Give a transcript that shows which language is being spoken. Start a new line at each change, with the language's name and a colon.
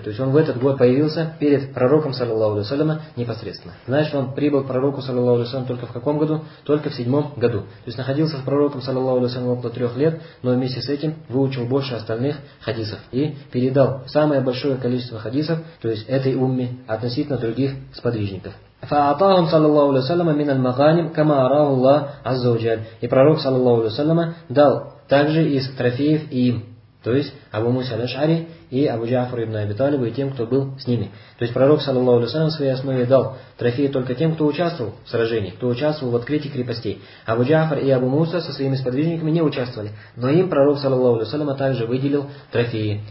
Russian: То есть он в этот год появился перед пророком, саллиллаху алейхи ва саллям, непосредственно. Значит, он прибыл к пророку, саллиллаху алейхи ва саллям, только в каком году? Только в 7-м году. То есть находился с пророком, саллиллаху алейхи ва саллям, около 3 лет, но вместе с этим выучил больше остальных хадисов. И передал самое большое количество хадисов, то есть этой умме, относительно других сподвижников.
Arabic: فأعطاهم صلى الله عليه وسلم من المغانم كما أراه الله عز وجل.
Russian: И пророк صلى الله عليه وسلم дал также из трофеев им, то есть Абу Муса аль-Ашари и Абу Джаафар ибн Аби Талибу и тем, кто был с ними. То есть пророк صلى الله عليه وسلم в своей основе дал трофеи только тем, кто участвовал в сражении, кто участвовал в открытии крепостей. Абу Джаафар и Абу Муса со своими сподвижниками не участвовали, но им пророк صلى الله عليه وسلم также выделил трофеи.